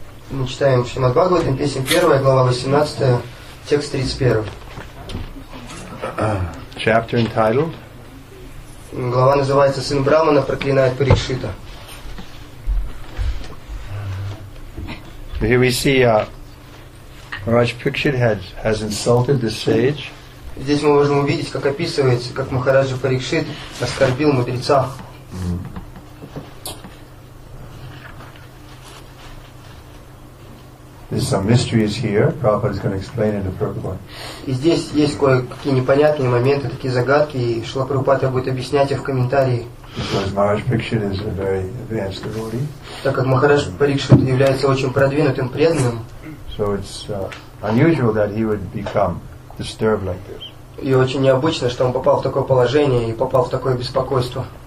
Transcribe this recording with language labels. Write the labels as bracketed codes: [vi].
[ru] Мы читаем Шримад Бхагаватам, песня 1, глава 18, текст 31. [en] Chapter entitled. [ru] Глава называется «Сын Брахмана проклинает Парикшита». [en] Here we see Rajput has insulted the sage. [ru] Здесь мы можем увидеть, как описывается, как Махараджа Парикшит оскорбил мудреца. [en] There's some mysteries here. Prabhupada is going to explain it appropriately. [ru] И здесь есть кое-какие непонятные моменты, такие загадки, и Шрила Прабхупада будет объяснять их в комментарии. [en] Because Maharaj Parikshit is a very advanced devotee. [ru] Так как Махарадж Парикшит является очень продвинутым преданным. [en] So it's unusual that he would become disturbed like this. [ru] И очень необычно, что он попал в такое положение и попал в такое беспокойство.